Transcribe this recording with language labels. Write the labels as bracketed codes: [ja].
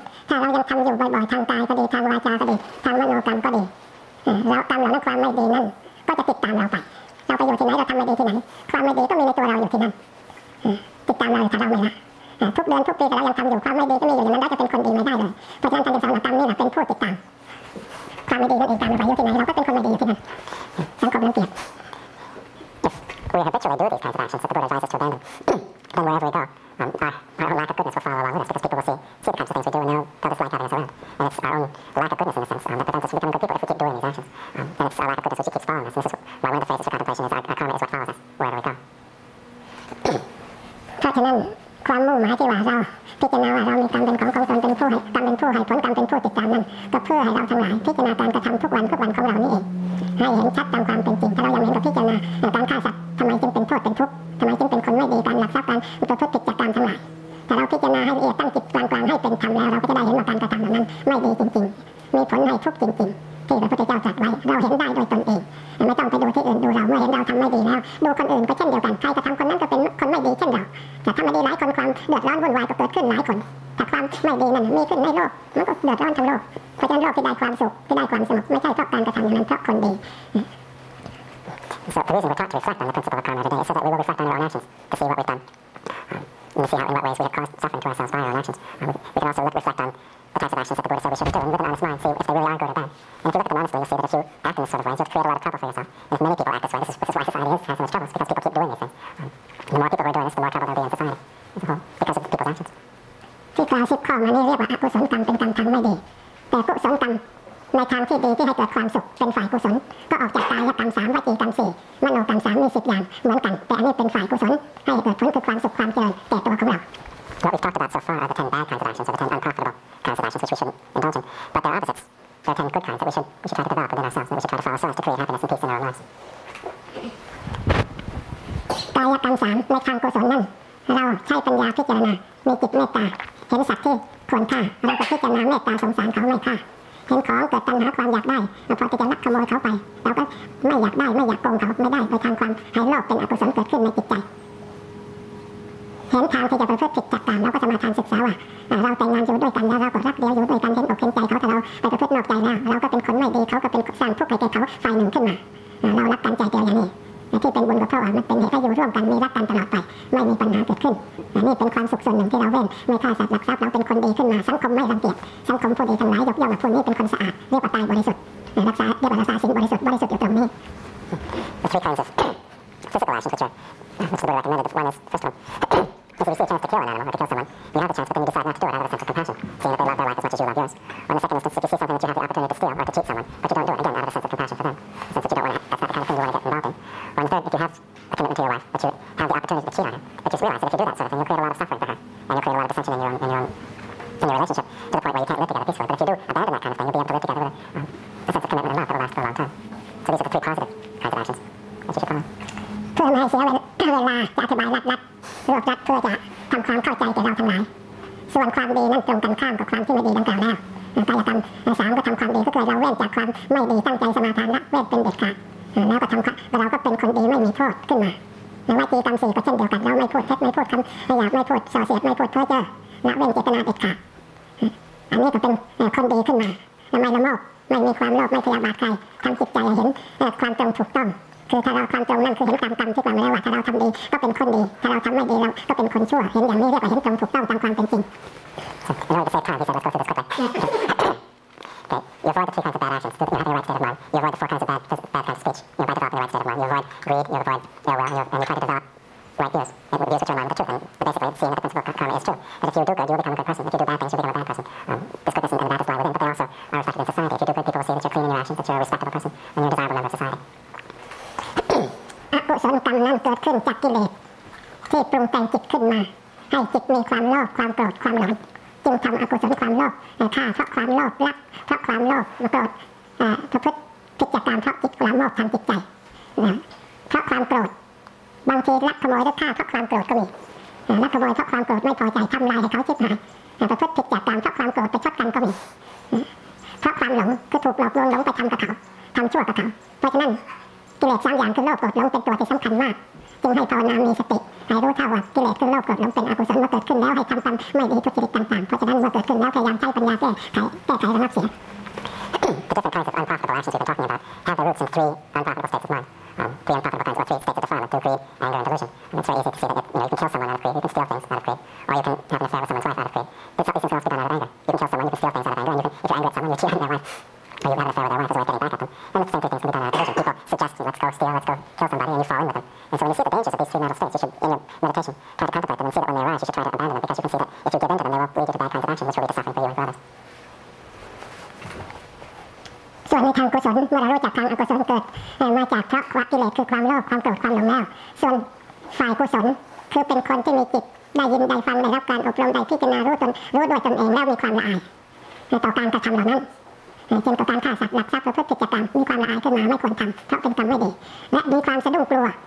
[th] ทางวาจาก็ดีทางมโนกรรมก็ดีแล้วกรรมเหล่านั้นความไม่ดีนั้นก็จะติดตามเราไปเราไปอยู่ที่ไหนเราทำไม่ดีที่ไหนความไม่ดีก็มีในตัวเราอยู่ที่นั่นติดตามเราอยู่ที่เราไม่ละทุกเดือนทุกปีแต่เรายังทำอยู่ความไม่ดีก็มีอยู่ในนั้นได้จะเป็นคนดีไม่ได้เลยเพราะฉะนั้นการเป็นสำหรับกรรมนี่แหละเป็นผู้ติดตามความไม่ดีนั่นเองตามเราไปอยู่ที่ไหนเราก็เป็นคนไม่ดีอยู่ที่นั่นสังคมรังเกียจ [en] If we have habitually do these kinds of actions, the good advice is to abandon. Then wherever we go, our lack of goodness will follow along with us, because people will see the kinds of things we do and they'll tell us like having us around. And it's our own lack of goodness, in a sense, that prevents us from becoming good people if we keep doing these actions. And it's our lack of goodness which keeps following us. And this is why one of the phrases for contemplation is our karma is what follows us wherever we go. [th] ความมุ่งหมายที่ว่าเราพิจารณาว่าเรามีกรรมเป็นของตนเป็นผู้ให้กรรมเป็นผู้ให้ผลกรรมเป็นผู้ติดตามนั้นก็เพื่อให้เราทั้งหลายพิจารณาการกระทำทุกวันทุกวันของเรานี่เองให้เห็นชัดตามความเป็นจริงถ้าเรายังไม่เห็นก็พิจารณาการฆ่าสัตว์ทำไมจึงเป็นโทษเป็นทุกข์ทำไมจึงเป็นคนไม่ดีการหลักทรัพย์การมีตัวทุกข์ติดจากกรรมทั้งหลาย ถ้าเราพิจารณาให้ละเอียดตั้งจิตกลางๆให้เป็นธรรมแล้วเราก็จะได้เห็นว่าการกระทำเหล่านั้นไม่ดีจริงๆมีผลให้ทุกข์จริงๆที่พระพุทธเจ้าตรัสไว้เราเห็นได้ด้วยตนเองไม่ต้องไปดูที่อื่นดูเราเมื่อเห็นเราทำไม่ดีแล้วดูคนอื่นก็เช่นเดียวกันใครจะทำคนนั้นก็เป็นคนไม่ดีเช่นเราจะทำไม่ดีหลายคนความเดือดร้อนวุ่นวายก็เกิดขึ้นหลายคนแต่ความไม่ดีนั้นมีขึ้นในโลกมันก็เดือดร้อนทั้งโลกเพราะฉะนั้นโลกที่ได้ความสุขที่ได้ความสงบไม่ใช่เพราะการกระทำอย่างนั้นเพราะคนดี [en] So the reason we're taught to reflect on the principle of karma today is so that we will reflect on our own actions to see what we've done and see how in what ways we have caused suffering to ourselves by our own actions. We can also reflect onon the types of actions that the Buddha said we should be doing with an honest mind, see if they really are good or bad. And if you look at them honestly, you'll see that if you act in this sort of way, you'll create a lot of trouble for yourself. And if many people act this way, this is why society has so much trouble, because people keep doing these things. The more people are doing this, the more trouble there'll be in society, because of people's actions. [th] ที่กล่าวสิบข้อมานี้เรียกว่าอกุศลกรรมเป็นกรรมทางไม่ดีแต่กุศลกรรมในทางที่ดีที่ให้เกิดความสุขเป็นฝ่ายกุศลก็ออกจากกายกรรมสามวจีกรรมสี่มโนกรรมสามมีสิบอย่างเหมือนกันแต่อันนี้เป็นฝ่ายกุศลให้เกิดผลคือความสุขความเจริญแก่ตัวของเรา [en] What we've talked about so far are the 10 bad kinds of actions, or the 10 unprofitable kinds of actions which we shouldn't indulge in. But there are opposites. There are 10 good kinds that we should try to develop within ourselves, that we should try to follow so as to create happiness and peace in our lives. [th] กายกรรมสามในทางกุศลนั้นเราใช้ปัญญาพิจารณามีจิตเมตตาเห็นสัตว์ที่ควรฆ่าเราก็พิจารณาเมตตาสงสารเขาไม่ฆ่าเห็นของเกิดตัณหาความอยากได้เราพอจะลักขโมยเขาไปเราก็ไม่อยากได้ไม่อยากโกงเขาไม่ได้ไปทางความให้โลภเป็นอกุศลเกิดขึ้นในจิตใจ เห็นทางที่จะประพฤติผิดจากกรรมแล้วก็จะมาทานศึกษาว่าเราแต่งงานอยู่ด้วยกันแล้วเราก็รักเดียวอยู่ด้วยกันเห็นอกเห็นใจเขาแต่เราไปประพฤตินอกใจแล้วเราก็เป็นคนไม่ดีเขาก็เป็นสร้างทุกข์ให้แก่เขาฝ่ายหนึ่งขึ้นมาเรารักกันใจเดียวอย่างนี้ที่เป็นบุญกับพระองค์มันเป็นเหตุให้อยู่ร่วมกันมีรักกันตลอดไปไม่มีปัญหาเกิดขึ้นนี่เป็นความสุขส่วนหนึ่งที่เราเว้นไม่ฆ่าสัตว์ลักทรัพย์เราเป็นคนดีขึ้นมาสังคมไม่รังเกียจสังคมผู้ดีทั้งหลายยกย่องว่าผู้นี้เป็นคนสะอาดเรียกว่าตายบริสุทธิ์รักษาเรียกว่ารักษาศีลบริสุทธิ์บริสุทธิ์อยู่ตรงนี้ [en] Physical actions, which are recommended, the one is, first one, if you receive a chance to kill an animal or to kill someone, you have the chance, but then you decide not to do it out of a sense of compassion, seeing that they love their life as much as you love yours. Or in the second instance, if you see something that you have the opportunity to steal or to cheat someone, but you don't do it, again, out of a sense of compassion for them, since that you don't want to, that's not the kind of thing you want to get involved in. Or in the third, if you have a commitment to your wife, that you have the opportunity to cheat on her, but you just realize that if you do that sort of thing, you'll create a lot of suffering for her, and you'll create a lot of dissension in your own relationship, to the point where you can't live together peacefully. But if you do abandon that kind of thing, you'll be able to live together with her. A sense of commitment and love that will last for a long time. [th] เพื่อไม่ให้เสียเวลาจะอธิบายรัดรวบรัดเพื่อจะทำความเข้าใจแก่เราทั้งหลาย ส่วนความดีนั้นตรงกันข้ามกับความที่ไม่ดีดังกล่าวแล้วกายกรรมสามก็ทำความดีก็เกิดเราเว้นจากความไม่ดีตั้งใจสมาทานละเว้นเป็นเด็ดขาดแล้วก็ทำเราก็เป็นคนดีไม่มีโทษขึ้นมา และวจีกรรมสี่ก็เช่นเดียวกันเราไม่พูดเท็จไม่พูดคำหยาบไม่พูดส่อเสียดไม่พูดเพ้อเจ้อละเว้นเจตนาเด็ดขาด อันนี้ก็เป็นคนดีขึ้นมาและไม่ละโมบไม่มีความโลภไม่พยาบาทใครทำจิตใจเห็นความตรงถูกต้องคือถ้าเราความตรงนั่นคือเห็นตามกรรมที่กล่าวมาแล้วว่าถ้าเราทำดีก็เป็นคนดีถ้าเราทำไม่ดีเราก็เป็นคนชั่วเห็นอย่างนี้เรียกว่าเห็นตรงถูกต้องตามความเป็นจริง เราจะใช้ทางที่จะลดความสุดสุดไป [en] You avoid the three kinds of bad actions. You're having the right state of mind. You avoid the four kinds of bad kinds of speech. You're by developing the right state of mind. You avoid greed. You avoid ill will. And you try to develop right views. And the views which are in line with the truth. And basically, seeing that the principle of karma is true. That if you do good, you will become a good person. If you do bad things, you'll become a bad person. This goodness and badness lie within, but they also are reflected in society. If you do good, people will see that you're clean in your actions, that you're a respectable person, and you're a desirable member of society. [th] อกุศลกรรมนั้นเกิดขึ้นจากกิเลสที่ปรุงแต่งจิตขึ้นมาให้จิตมีความโลภความโกรธความหลงจึงทำอกุศลความโลภฆ่าเพราะความโลภรักเพราะความโลภโกรธประพฤติผิดจากกรรมเพราะจิตละโมบทางจิตใจ เพราะความโกรธบางทีลักขโมยหรือฆ่าเพราะความโกรธก็มีลักขโมยเพราะความโกรธไม่พอใจทำลายให้เขาชิบหายประพฤติผิดจากกรรมเพราะความโกรธไปชดกันก็มีเพราะความหลงคือถูกหลอกลวงหลงไปทำกับเขาทำชั่วกับเขาเพราะฉะนั้นกิเลสสามอย่างคือโลภโกรธหลงเป็นตัวที่สำคัญมากจึงให้ภาวนามีสติให้รู้เท่าว่ากิเลสคือโลภโกรธหลงเป็นอกุศลเมื่อเกิดขึ้นแล้วให้ทำตามไม่ดีทุกกิริยาต่างๆเพราะฉะนั้นเมื่อเกิดขึ้นแล้วพยายามใช้ปัญญาแก้ไขระงับเสีย [en] different kinds of unprofitable actions we've been talking about have their roots in three unprofitable states of mind. Three unprofitable kinds, or three states of defilement, through greed, anger, and delusion. And it's very easy to see that you can kill someone out of greed, you can steal things out of greed, or you can have an affair with someone's wife out of greed. But these things can also be done out of anger. You can kill someone, you can steal things out of anger, and if you're angry at someone, you're cheating their wife. Or you have an affair with their wife as a way of getting back at them. And the same three things can be done out of delusion. People suggest to you, let's go steal, let's go kill somebody, and you fall in with them. And so when you see the dangers of these three mental states, you should, in your meditation, try to contemplate them and see that when they arise, you should try to abandon them, because you can see that if you give in to them, they will lead you to bad kinds of actions, which will lead to suffering for you and for others. [th] ส่วนในทางกุศลเมื่อเรารู้จักทางอกุศลเกิดมาจากเพราะความกิเลสคือความโลภความโกรธความหลงแล้วส่วนฝ่ายกุศลคือเป็นคนที่มีจิตได้ยินได้ฟังได้รับการอบรมได้พิจารณารู้ตนรู้ด้วยตนเองแล้วมีความละอายต่อการกระทำเหล่านั้นเช่นต่อการฆ่าสัตว์ลักทรัพย์ประพฤติผิดกตัญญูมีความละอายขึ้นมาไม่ควรทำเพราะเป็นกรรมไม่ดีและมีความสะดุ้งกลัว